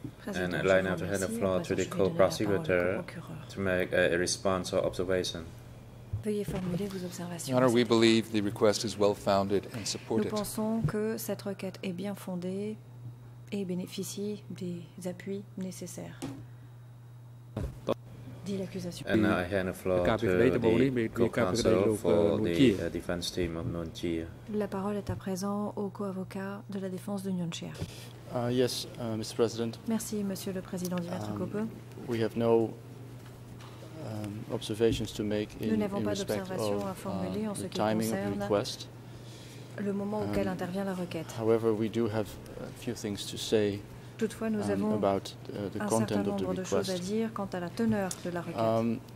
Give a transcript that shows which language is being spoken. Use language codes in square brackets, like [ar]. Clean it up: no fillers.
[en] And I'd like now to hand the floor to the co-prosecutor to make a response or observation. [fr] Veuillez formuler vos observations. [en] Your Honor, we believe the request is well-founded and supported. [fr] Nous pensons que cette requête est bien fondée et bénéficie des appuis nécessaires. Dit l'accusation. [en] And now I hand the floor to the co-counsel for the defense team of Nguyen Chia. [fr] La parole est à présent au co-avocat de la défense de Nguyen Chia. [en] Yes, Mr. President. [fr] Merci, Monsieur le Président, Dimitri Coppe. [en] We have no observations to make in respect of the timing of the request. [fr] Le moment auquel intervient la requête. [en] However, we do have a few things to say about the content of the request. [fr] Toutefois, nous avons un certain nombre de choses à dire quant à la teneur de la requête.